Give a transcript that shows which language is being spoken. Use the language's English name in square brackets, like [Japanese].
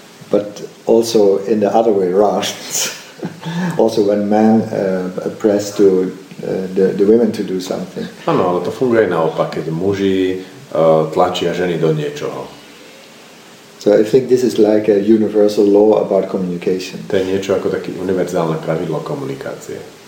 [English] But also in the other way around. Also when men press to the women to do something. [Slovak] Ano, ale to funguje naopak, keď muži tlačia ženy do niečoho. [English] So I think this is like a universal law about communication. [Slovak] To je niečo ako také univerzálne pravidlo komunikácie.